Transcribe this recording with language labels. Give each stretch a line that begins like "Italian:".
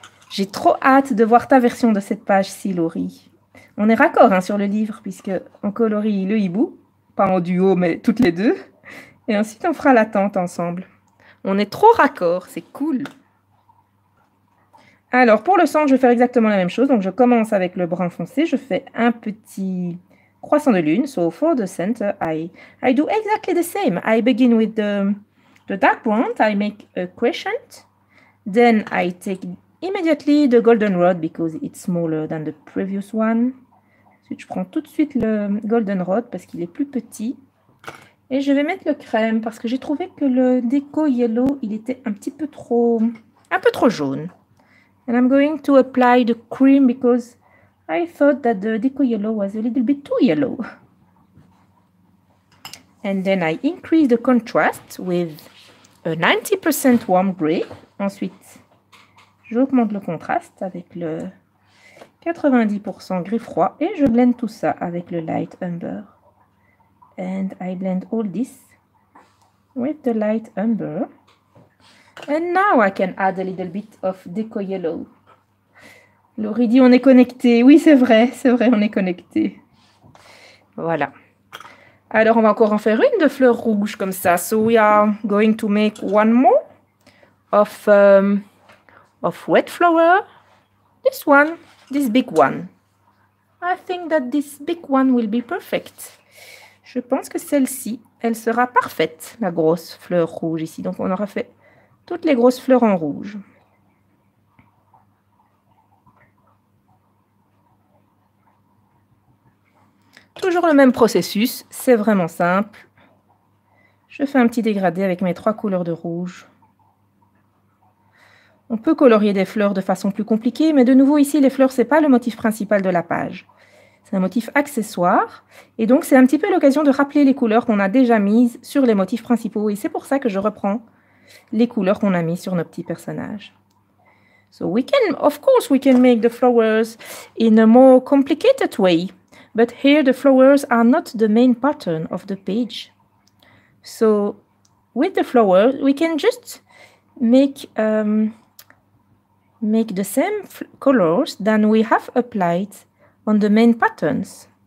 French: J'ai trop hâte de voir ta version de cette page-ci, Laurie. On est raccord hein, sur le livre, puisqu'on colorie le hibou, pas en duo, mais toutes les deux. Et ensuite, on fera la tente ensemble. On est trop raccord, c'est cool. Alors, pour le sang, je vais faire exactement la même chose. Donc, je commence avec le brun foncé. Je fais un petit croissant de lune.
English: So, for the center, I do exactly the same. I begin with the dark brown. I make a crescent. Then, I take immediately the golden rod because it's smaller than the previous one.
French: Ensuite, je prends tout de suite le golden rod parce qu'il est plus petit. Et je vais mettre le crème parce que j'ai trouvé que le déco yellow, il était un peu trop jaune.
English: And I'm going to apply the cream because I thought that the déco yellow was a little bit too yellow. And then I increase the contrast with a 90% warm gray.
French: Ensuite, j'augmente le contraste avec le 90% gris froid et je blende tout ça avec le light umber.
English: And I blend all this with the light umber. And now I can add a little bit of deco yellow.
French: Laurie dit on est connecté. Oui, c'est vrai, on est connecté. Voilà. Alors, on va encore en faire une de fleurs rouges comme ça.
English: So we are going to make one more of wet flower. This one, this big one. I think that this big one will be perfect.
French: Je pense que celle-ci, elle sera parfaite, la grosse fleur rouge ici. Donc, on aura fait toutes les grosses fleurs en rouge. Toujours le même processus, c'est vraiment simple. Je fais un petit dégradé avec mes trois couleurs de rouge. On peut colorier des fleurs de façon plus compliquée, mais de nouveau ici, les fleurs, ce n'est pas le motif principal de la page. C'est un motif accessoire et donc c'est un petit peu l'occasion de rappeler les couleurs qu'on a déjà mises sur les motifs principaux et c'est pour ça que je reprends les couleurs qu'on a mises sur nos petits personnages.
English: So we can, of course, we can make the flowers in a more complicated way, but here the flowers are not the main pattern of the page. So with the flowers, we can just make the same colors than we have applied on the main patterns.